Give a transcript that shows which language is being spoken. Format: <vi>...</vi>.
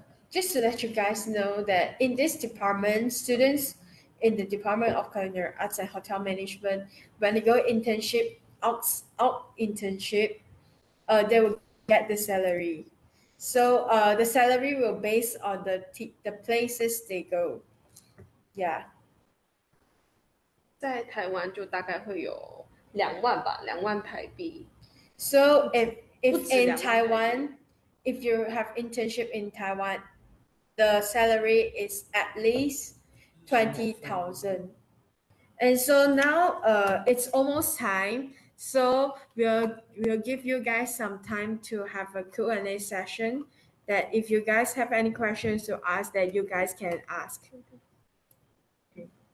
<en>Just to let you guys know that in this department, students in the Department of Culinary Arts and Hotel Management, when they go internship, out internship, they will get the salary. So the salary will based on the places they go. Yeah.</en> <zh>在台湾就大概会有两万吧，两万台币。</zh> <en>So if in Taiwan, if you have internship in Taiwan, the salary is at least 20,000. And so now it's almost time. So we'll give you guys some time to have a Q&A session that if you guys have any questions to ask, that you guys can ask. Okay.</en>